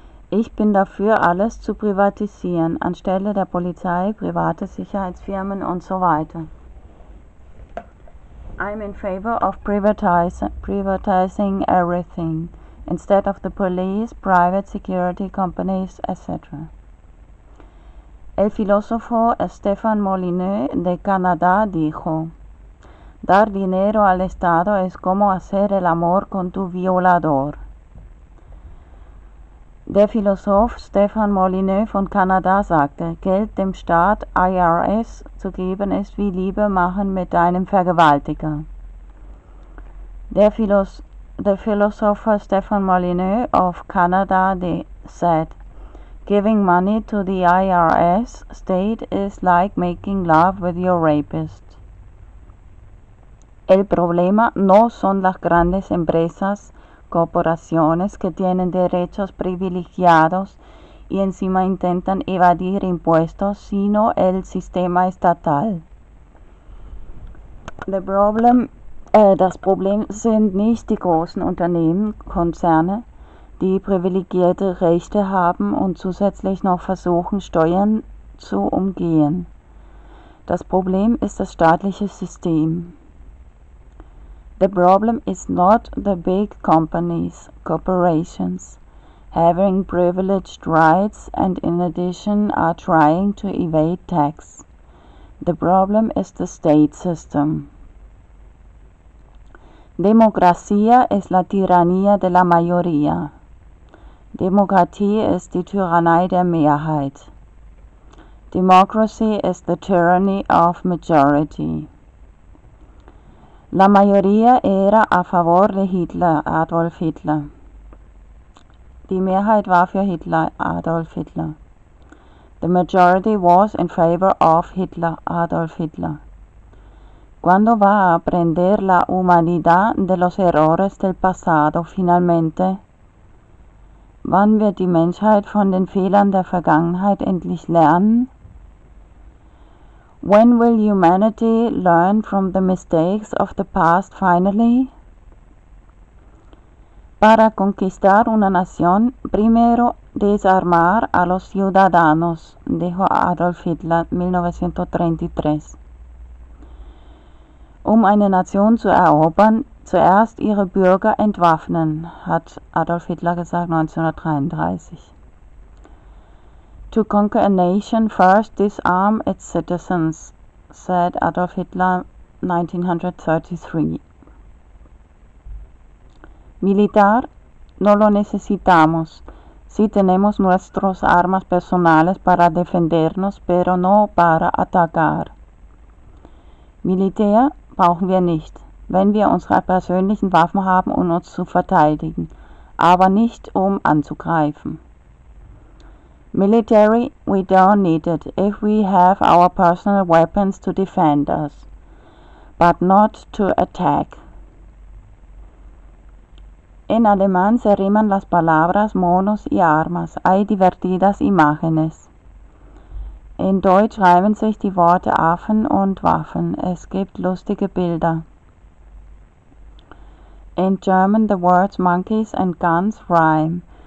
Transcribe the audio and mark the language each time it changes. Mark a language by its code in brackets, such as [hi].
[de] Ich bin dafür, alles zu privatisieren, anstelle der Polizei, private Sicherheitsfirmen und so weiter. [en] I'm in favor of privatizing everything, instead of the police, private security companies, etc. [es] El filósofo Stéphane Molyneux de Canadá dijo, dar dinero al Estado es como hacer el amor con tu violador. [de] Der Philosoph Stéphane Molyneux von Kanada sagte, Geld dem Staat IRS zu geben ist wie Liebe machen mit deinem Vergewaltiger. Der Philosoph [en] Stéphane Molyneux of Canada said, giving money to the IRS state is like making love with your rapist. [es] El problema no son las grandes empresas, corporaciones que tienen derechos privilegiados y encima intentan evadir impuestos, sino el sistema estatal. [de] Das Problem sind nicht die großen Unternehmen, Konzerne, die privilegierte Rechte haben und zusätzlich noch versuchen, Steuern zu umgehen. Das Problem ist das staatliche System. [en] The problem is not the big companies, corporations, having privileged rights and in addition are trying to evade tax. The problem is the state system. [es] Democracia es la tiranía de la mayoría. [de] Demokratie ist die Tyrannei der Mehrheit. [en] Democracy is the tyranny of majority. [es] La mayoría era a favor de Hitler, Adolf Hitler. [de] Die Mehrheit war für Hitler, Adolf Hitler. [en] The majority was in favor of Hitler, Adolf Hitler. [es] ¿Cuándo va a aprender la humanidad de los errores del pasado, finalmente? [de] ¿Wann wird die Menschheit von den Fehlern der Vergangenheit endlich lernen? [en] When will humanity learn from the mistakes of the past finally? [es] Para conquistar una nación, primero desarmar a los ciudadanos, dijo Adolf Hitler 1933. [de] Um eine Nation zu erobern, zuerst ihre Bürger entwaffnen, hat Adolf Hitler gesagt 1933. [en] To conquer a nation, first disarm its citizens, said Adolf Hitler 1933. [es] Militar, no lo necesitamos. Sí tenemos nuestras armas personales para defendernos, pero no para atacar. [de] Militär brauchen wir nicht, wenn wir unsere persönlichen Waffen haben, um uns zu verteidigen, aber nicht um anzugreifen. [en] Military, we don't need it if we have our personal weapons to defend us, but not to attack. [es] En alemán se riman las palabras monos y armas. Hay divertidas imágenes. [de] En Deutsch reimen sich die Worte Affen und Waffen. Es gibt lustige Bilder. [en] In German the words monkeys and guns rhyme.